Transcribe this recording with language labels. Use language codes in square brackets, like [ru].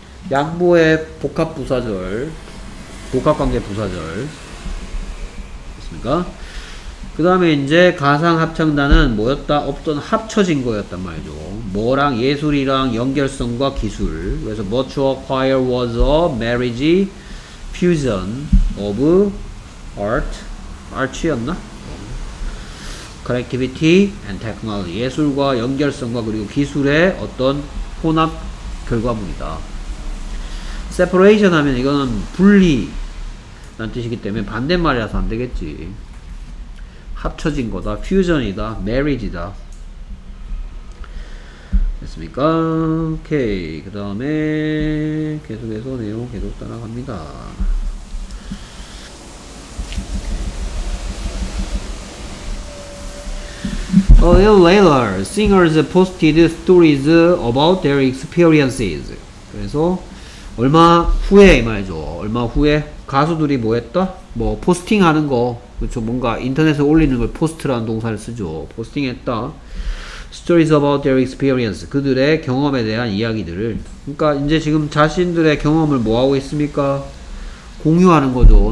[ko] 양보의 복합부사절. 복합관계 부사절. 됐습니까? 그 다음에 이제 가상합창단은 뭐였다? 없던 합쳐진 거였단 말이죠. 뭐랑 예술이랑 연결성과 기술. 그래서 [en] what to acquire was a marriage fusion of art. art였나? connectivity and technology. [ko] 예술과 연결성과 그리고 기술의 어떤 혼합 결과물이다. separation 하면 이거는 분리. 라는 뜻이기 때문에 반대말이라서 안 되겠지. 합쳐진 거다. 퓨전이다. 메리지다. 됐습니까? 오케이. 그 다음에 계속해서 내용 계속 따라갑니다. [en] 오케이. A little later, singers posted stories about their experiences. [ko] 그래서 얼마 후에 이 말이죠. 얼마 후에 가수들이 뭐 했다? 뭐 포스팅하는 거. 그렇죠. 뭔가 인터넷에 올리는 걸 포스트라는 동사를 쓰죠. 포스팅했다. [en] Stories about their experience. [ko] 그들의 경험에 대한 이야기들을. 그러니까 이제 지금 자신들의 경험을 뭐 하고 있습니까? 공유하는 거죠.